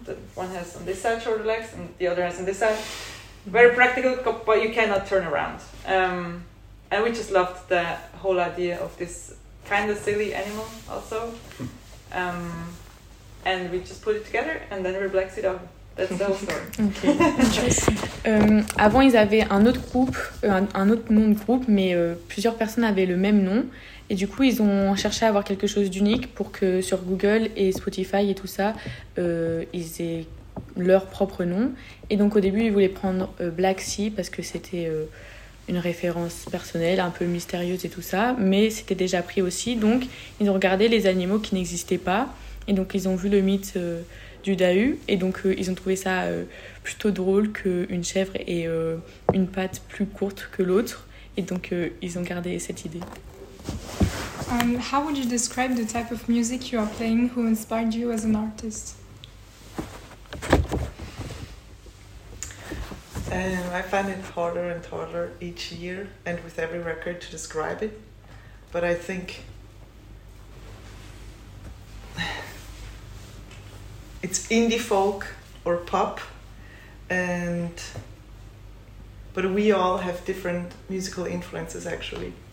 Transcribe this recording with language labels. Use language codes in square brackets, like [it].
[en] The one has on this side shorter legs, and the other has on this side. Very practical, but you cannot turn around. And we just loved the whole idea of this kind of silly animal also. And we just put it together, and then we're Black Sea Dog. That's okay. [fr] Avant, ils avaient un autre groupe, un autre nom de groupe, mais plusieurs personnes avaient le même nom. Et du coup, ils ont cherché à avoir quelque chose d'unique pour que sur Google et Spotify et tout ça, ils aient leur propre nom. Et donc, au début, ils voulaient prendre Black Sea parce que c'était une référence personnelle, un peu mystérieuse et tout ça. Mais c'était déjà pris aussi. Donc, ils ont regardé les animaux qui n'existaient pas. Et donc, ils ont vu le mythe du Dahu, et donc ils ont trouvé ça plutôt drôle qu'une chèvre ait une patte plus courte que l'autre, et donc ils ont gardé cette idée. [en] How would you describe the type of music you are playing, who inspired you as an artist? I find it harder and harder each year and with every record to describe it, but I think it's indie folk or pop, but we all have different musical influences actually.